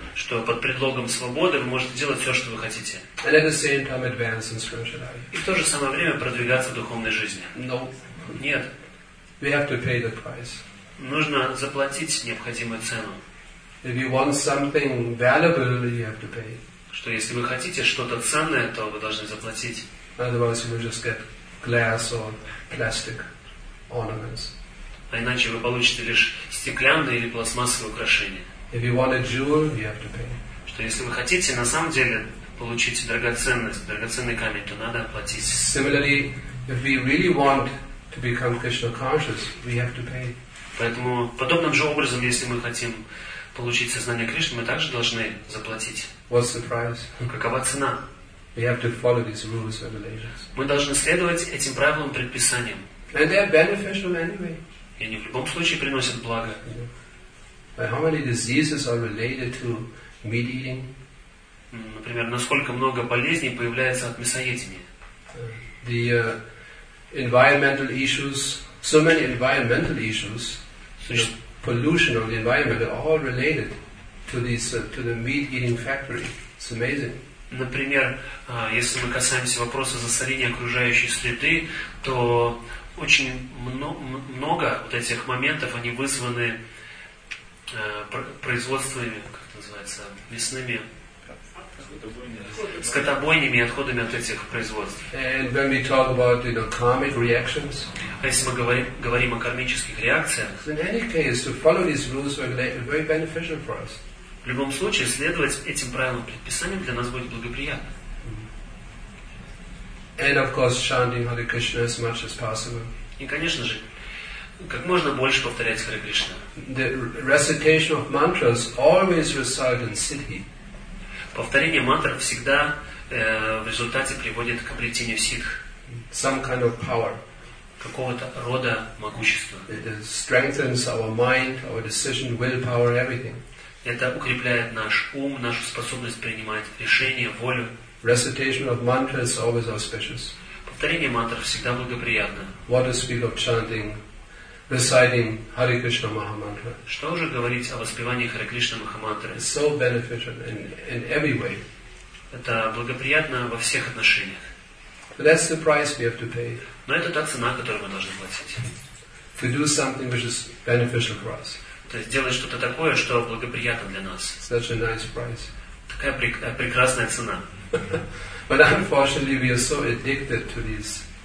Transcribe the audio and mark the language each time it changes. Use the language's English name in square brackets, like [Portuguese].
[Russian] Что под предлогом свободы вы можете делать все, что вы хотите. [English] And at the same time advance in spiritual life. [Russian] И в то же самое время продвигаться в духовной жизни. [English] No. [Russian] Нет. [English] We have to pay the price. [Russian] Нужно заплатить необходимую цену. [English] If you want something valuable, you have to pay. [Russian] Что если вы хотите что-то ценное, то вы должны заплатить. [English] Otherwise you will just get glass or plastic ornaments. [Russian] А иначе вы получите лишь стеклянные или пластмассовые украшения. [English] If you want a jewel, you have to pay. [Russian] Что если вы хотите на самом деле получить драгоценность, драгоценный камень, то надо оплатить. [English] Similarly, if we really want to become Krishna conscious, we have to pay. [Russian] Поэтому подобным же образом, если мы хотим получить сознание Кришны, мы также должны заплатить. [English] What's the price? [Russian] Какова цена? [English] We have to follow these rules and regulations. [Russian] Мы должны следовать этим правилам, предписаниям. [English] And they are beneficial anyway. [Russian] И они в любом случае приносят благо. [English] But how many diseases are related to meat eating? [Russian] Например, насколько много болезней появляется от мясоедения? [English] The environmental issues, so many environmental issues, pollution of the environment, are all related to these to the meat eating factory. It's amazing. [Russian] Например, если мы касаемся вопроса засорения окружающей среды, то очень много вот этих моментов, они вызваны производствами, как это называется, мясными скотобойнями и отходами от этих производств. [English] And when we talk about, you know, karmic reactions, [Russian] а если мы говорим о кармических реакциях, [English] in any case, to follow these rules are very beneficial for us. [Russian] В любом случае, следовать этим правилам предписаниям для нас будет благоприятно. [English] And of course, chanting Hare Krishna as much as possible. [Russian] И, конечно же, как можно больше повторять Хари Кришна. [English] The recitation of mantras always result in siddhi. [Russian] Повторение мантр всегда в результате приводит к обретению сиддх. [English] Some kind of power. [Russian] Какого-то рода могущества. [English] It strengthens our mind, our decision, willpower, everything. [Russian] Это укрепляет наш ум, нашу способность принимать решения, волю. [English] Recitation of mantra is always auspicious. [Russian] Повторение мантр всегда благоприятно. [English] What to speak of chanting, reciting Hare Krishna Maha Mantra? [Russian] Что уже говорить о воспевании Hare Krishna Maha Mantra? [English] It's so beneficial in every way. [Russian] Это благоприятно во всех отношениях. [English] But that's the price we have to pay. [Russian] Но это та цена, которую мы должны платить. [English] To do something which is beneficial for us. [Russian] То есть делать что-то такое, что благоприятно для нас. [English] Such a nice price. [Russian] Такая прекрасная цена. [English] But unfortunately, we are so addicted to these